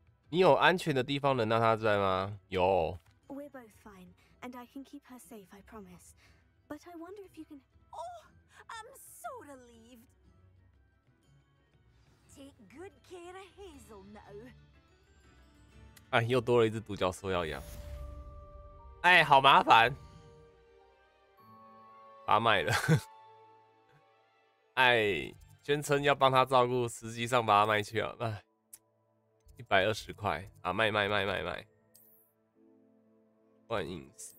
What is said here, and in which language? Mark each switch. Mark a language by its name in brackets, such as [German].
[English] You [Chinese] 有安全的地方能让她在吗？有。 [English] We're both fine. And I can keep her safe, I promise. But I wonder if you can. Oh, I'm so relieved. Take good care of Hazel now. [Chinese] 哎，又多了一只独角兽要养。哎，好麻烦。把他卖了。哎，宣称要帮他照顾，实际上把他卖去了。哎，120块啊，卖卖卖卖卖。幻影。